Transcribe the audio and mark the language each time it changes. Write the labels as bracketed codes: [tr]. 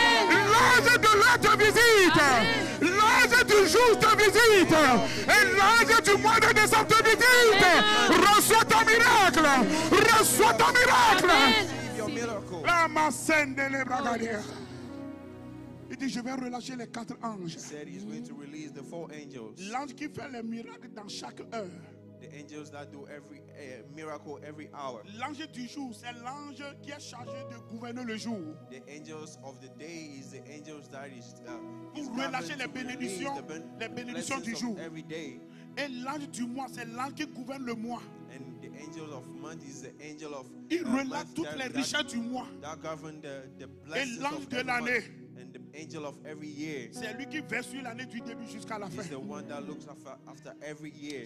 [fr] L'ange de l'année te visite. L'ange du jour te visite. Et l'ange du mois de décembre te visite. Reçois ton miracle. Reçois ton miracle. La massène de l'ébragadière. Il dit, je vais relâcher les quatre anges. [en] He said he's going to release the four angels. [fr] L'ange qui fait les miracles dans chaque heure. [en] The angels that do every miracle every hour. [fr] L'ange du jour, c'est l'ange qui est chargé de gouverner le jour. [en] The angels of the day is the angels that is [fr] pour relâcher les bénédictions du jour. [en] Every day. [fr] Et l'ange du mois, c'est l'ange qui gouverne le mois. [en] And the angel of month is the angel of [fr] il relâche toutes les richesses du mois. [en] That govern the blessings. [fr] Et l'ange de l'année. [en] And the angel of every year. [fr] C'est lui qui veille sur l'année du début jusqu'à la fin. [en] He's the one that looks after every year.